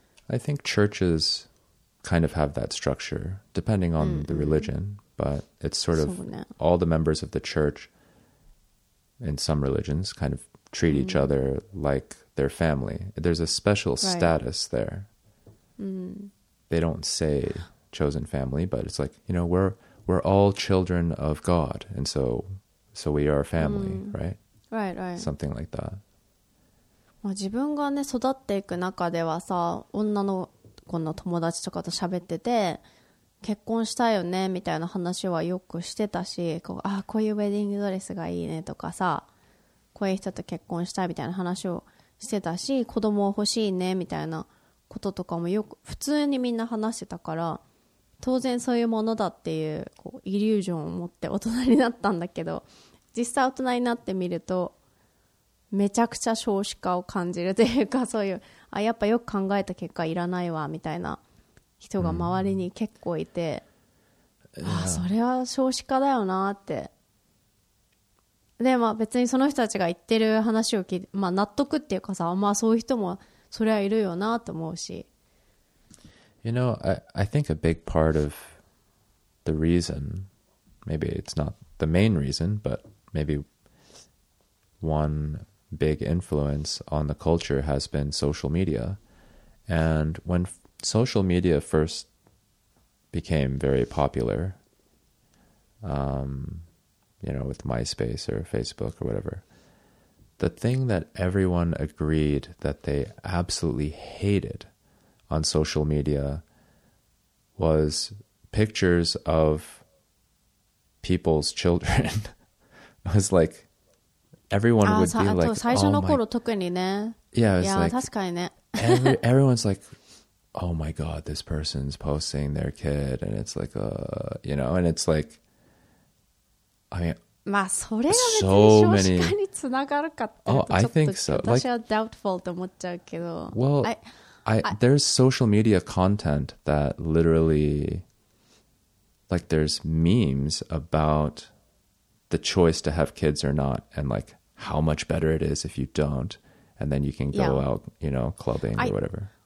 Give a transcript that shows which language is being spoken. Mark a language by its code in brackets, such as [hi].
[en] I think churches kind of have that structure, depending on the religion, but it's sort of all the members of the church in some religions kind of treat each other like their family. There's a special status there. They don't say... chosen family but it's like you know we're all children of God and so we are family right something like that [ja] まあ自分がね育っていく中ではさ女の子の友達とかと喋ってて結婚したいよねみたいな話はよくしてたしこうあこういうウェディングドレスがいいねとかさこういう人と結婚したいみたいな話をしてたし子供欲しいねみたいなこととかもよく普通にみんな話してたから当然そういうものだってい こうイリュージョンを持って大人になったんだけど実際大人になってみるとめちゃくちゃ少子化を感じるというかそういうあやっぱよく考えた結果いらないわみたいな人が周りに結構いて、ああそれは少子化だよなってでまあ別にその人たちが言ってる話を聞いて、まあ、納得っていうかさまあそういう人もそれはいるよなと思うし [en] You know, I think a big part of the reason, maybe it's not the main reason, but maybe one big influence on the culture has been social media. And when social media first became very popular, you know, with MySpace or Facebook or whatever, the thing that everyone agreed that they absolutely hated... on social media was pictures of people's children. It was like, everyone would be like, oh my God. Everyone's like, oh my God, this person's posting their kid. And it's like, you know, and it's like, I mean, [ja] まあ、それが別に少子化につながるかっていうと、ちょっと、ちょっと私は doubtful と思っちゃうけど。 [en] Well, there's social media content that literally, like, there's memes about the choice to have kids or not, and like how much better it is if you don't, and then you can go out, you know, clubbing or whatever.